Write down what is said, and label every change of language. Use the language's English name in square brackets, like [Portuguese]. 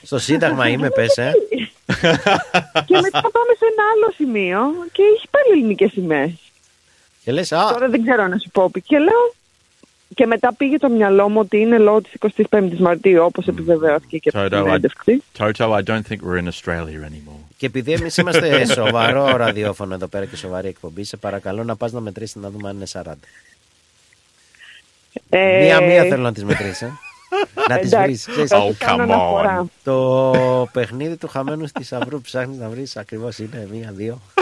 [Greek] Στο Σύνταγμα είμαι, πες, Και μετά πάμε σε ένα άλλο σημείο και είχε πάλι ελληνικές σημαίες. Και λες, τώρα δεν ξέρω να σου πω, και λέω, και μετά πήγε το μυαλό μου ότι είναι λόγω της 25ης Μαρτίου, όπως επιβεβαιώθηκε και από την συνέντευξη. [English] Toto, I don't think we're in Australia anymore. [Greek] Και επειδή εμείς είμαστε σοβαρό ραδιόφωνο εδώ πέρα και σοβαρή εκπομπή, σε παρακαλώ να πας να μετρήσεις να δούμε αν είναι 40. Μία-μία θέλω να τις μετρήσεις. Να τις βρεις. [English] Oh, come on. [Greek] Το παιχνίδι του χαμένου θησαυρού ψάχνεις να βρεις ακριβώς είναι μία-δύο.